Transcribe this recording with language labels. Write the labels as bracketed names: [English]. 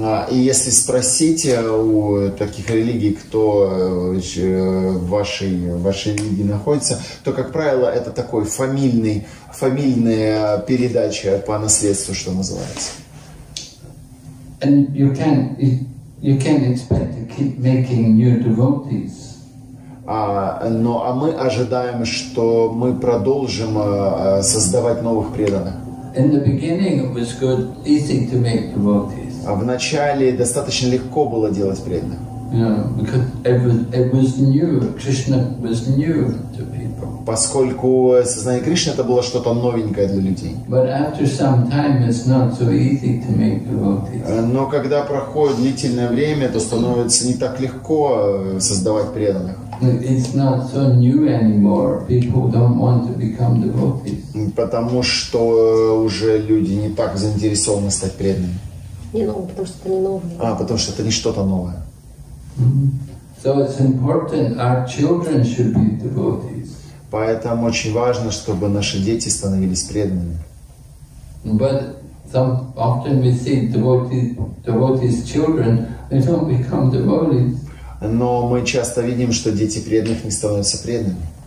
[Russian] И если спросить у таких религий, кто в вашей религии находится, то, как правило, это такой фамильная передача по наследству, что называется. [English] And you can't expect to keep making new devotees. [Russian] Мы ожидаем, что мы продолжим создавать новых преданных. [English] In the beginning, it was good, easy to make devotees. [Russian] А в начале достаточно легко было делать преданных. [English] Yeah, because it was new. Krishna was new to people. [Russian] Поскольку сознание Кришны это было что-то новенькое для людей. [English] But after some time, it's not so easy to make devotees. [Russian] Но когда проходит длительное время, то становится не так легко создавать преданных. [English] It's not so new anymore. People don't want to become devotees. [Russian] Потому что уже люди не так заинтересованы стать преданными. Не новое, потому что это не новое. Потому что это не что-то новое. [English] So it's important our children should be devotees. [Russian] Поэтому очень важно, чтобы наши дети становились преданными. [English] But often we see devotees' children, they don't become devotees. [Russian] Но мы часто видим, что дети преданных не становятся преданными.